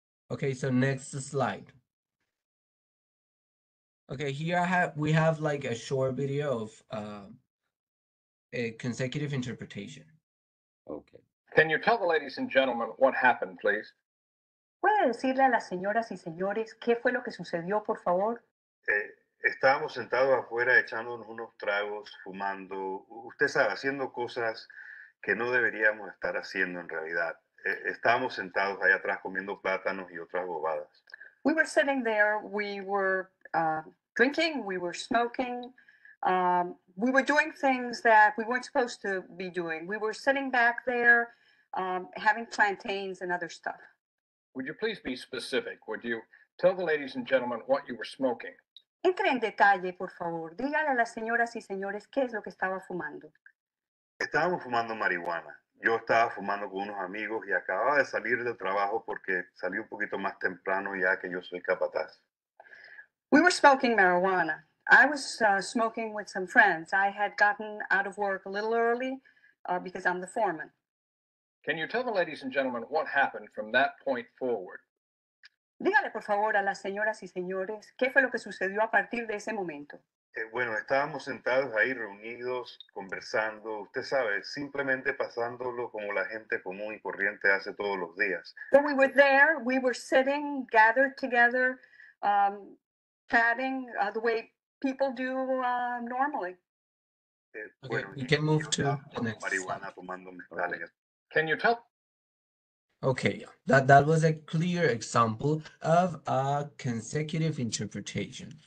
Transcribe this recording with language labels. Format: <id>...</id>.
<en>Okay, so next slide. Okay, here we have like a short video of a consecutive interpretation. Okay. Can you tell the ladies and gentlemen what happened, please?</en> <es>¿Puede decirle a las señoras y señores qué fue lo que sucedió, por favor? Estábamos sentados afuera echándonos unos tragos, fumando, usted sabe, haciendo cosas que no deberíamos estar haciendo en realidad. Estábamos sentados allá atrás comiendo plátanos y otras bobadas.</es> <en>We were sitting there, we were drinking, we were smoking, we were doing things that we weren't supposed to be doing. We were sitting back there having plantains and other stuff. Would you please be specific? Would you tell the ladies and gentlemen what you were smoking?</en> <es>Entre en detalle, por favor. Dígale a las señoras y señores qué es lo que estaba fumando. Estábamos fumando marihuana. Yo estaba fumando con unos amigos y acababa de salir del trabajo porque salí un poquito más temprano ya que yo soy capataz.</es> <en>We were smoking marijuana. I was smoking with some friends. I had gotten out of work a little early because I'm the foreman. Can you tell the ladies and gentlemen what happened from that point forward?</en> <es>Dígale, por favor, a las señoras y señores, ¿qué fue lo que sucedió a partir de ese momento? Bueno, estábamos sentados ahí reunidos, conversando, usted sabe, simplemente pasándolo como la gente común y corriente hace todos los días.</es> <en>When we were there, we were sitting, gathered together, chatting the way people do normally. Okay, bueno, we can move to the next</en> <es>marihuana, tomando mezcal.</es> <en>Can you tell? Okay, that was a clear example of a consecutive interpretation.</en>